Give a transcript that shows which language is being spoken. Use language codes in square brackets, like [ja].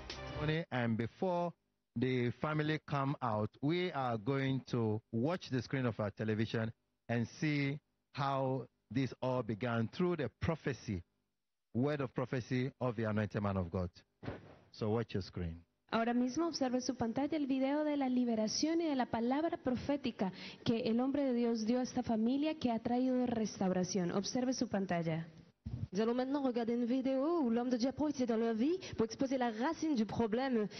[en] ceremony, and before the family come out, we are going to watch the screen of our television and see how this all began through the prophecy, word of prophecy of the anointed man of God. So watch your screen. [es] Ahora mismo observe su pantalla el video de la liberación y de la palabra profética que el hombre de Dios dio a esta familia que ha traído restauración. Observe su pantalla. [fr] Nous allons maintenant regarder une vidéo où l'homme de Dieu a profité dans leur vie pour exposer la racine du problème.